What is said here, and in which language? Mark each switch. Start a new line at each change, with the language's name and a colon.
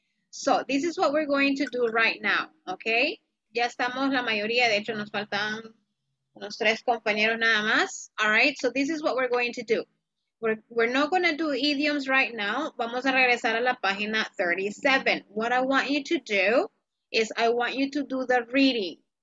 English: So this is what we're going to do right now.
Spanish: Okay. Ya estamos la mayoría. De hecho, nos faltan unos tres compañeros nada más.
English: All right. So this is what we're going to do. We're not going to do idioms right now.
Spanish: Vamos a regresar a la página 37.
English: What I want you to do is I want you to do the reading.